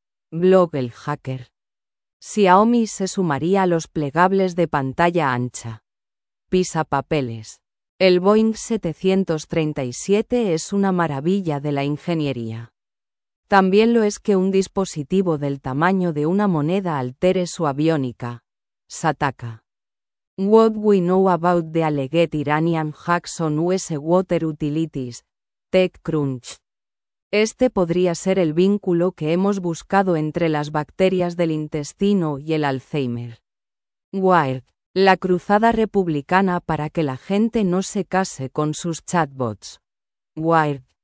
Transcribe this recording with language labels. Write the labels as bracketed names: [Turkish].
[Spanish] Blog el hacker. Xiaomi se sumaría a los plegables de pantalla ancha. Pisa papeles. El Boeing 737 es una maravilla de la ingeniería. También lo es que un dispositivo del tamaño de una moneda altere su aviónica. Sataka. [English] What we know about the alleged Iranian hacks on US water utilities. TechCrunch. [Spanish] Este podría ser el vínculo que hemos buscado entre las bacterias del intestino y el Alzheimer. Wired, la cruzada republicana para que la gente no se case con sus chatbots. Wired.